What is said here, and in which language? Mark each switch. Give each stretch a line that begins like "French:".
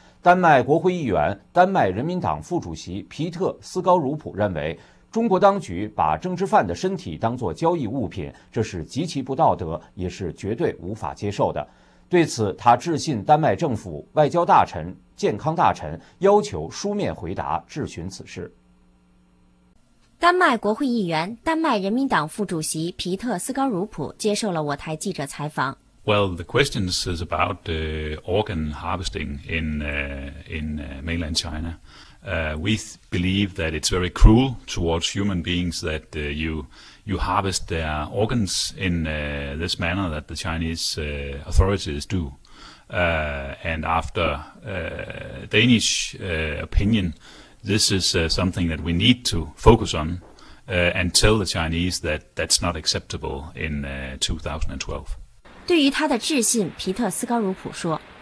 Chinese: 丹麦国会议员、丹麦人民党副主席皮特·斯高鲁普认为，中国当局把政治犯的身体当作交易物品，这是极其不道德，也是绝对无法接受的。对此，他致信丹麦政府、外交大臣、健康大臣，要求书面回答质询此事。丹麦国会议员、丹麦人民党副主席皮特·斯高鲁普接受了我台记者采访。
English: Well, the question is about the organ harvesting in mainland China. We believe that it's very cruel towards human beings that you harvest their organs in this manner that the Chinese authorities do. And after Danish opinion, this is something that we need to focus on and tell the Chinese that that's not acceptable in 2012.
Chinese: 对于他的致信，皮特·斯高鲁普说